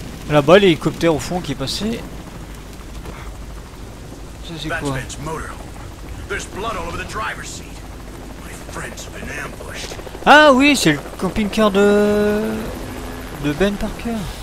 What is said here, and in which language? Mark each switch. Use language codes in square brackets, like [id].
[fr] Là-bas, l'hélicoptère au fond qui est passé. Ça, c'est quoi? [en] Batman's motorhome. There's blood all over the driver's seat. My friends have been ambushed. [fr] Ah oui, c'est le camping-car de Ben Parker.